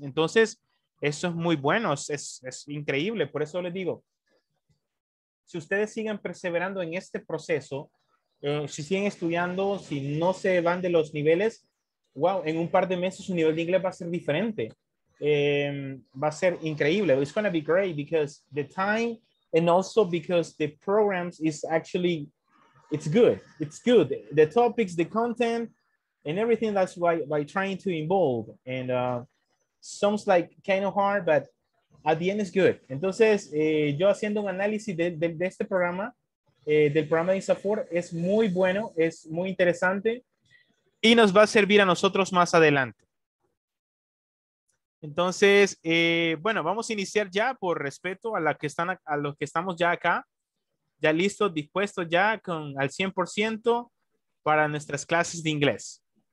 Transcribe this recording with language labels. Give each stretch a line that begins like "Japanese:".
Spanish: Entonces, eso es muy bueno, es increíble. Por eso les digo, si ustedes siguen perseverando en este proceso, si siguen estudiando, si no se van de los niveles, wow, en un par de meses su nivel de inglés va a ser diferente. Va a ser increíble.
English: It's going to be great because the time and also because the programs is actually, it's good. It's good. The topics, the content, and everything, that's why by trying to involve. And sounds like kind of hard, but at the end is good.
Spanish: Entonces, yo haciendo un análisis de este programa, del programa de INSAFOR, es muy bueno, es muy interesante y nos va a servir a nosotros más adelante. Entonces, bueno, vamos a iniciar ya por respeto a, a los que estamos ya acá, ya listos, dispuestos ya con al 100% para nuestras clases de inglés.